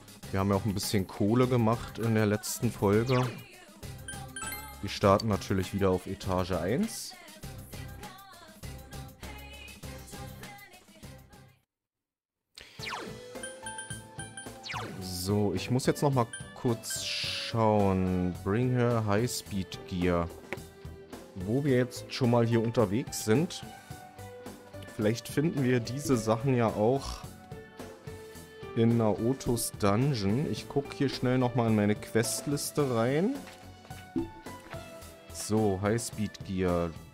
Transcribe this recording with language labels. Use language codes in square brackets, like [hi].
[de] Wir haben ja auch ein bisschen Kohle gemacht in der letzten Folge. Wir starten natürlich wieder auf Etage 1. So, ich muss jetzt noch mal kurz schauen. [en] Bring her High Speed Gear. [de] Wo wir jetzt schon mal hier unterwegs sind. Vielleicht finden wir diese Sachen ja auch in Naotos Dungeon. Ich gucke hier schnell nochmal in meine Questliste rein. So, Highspeed Gear.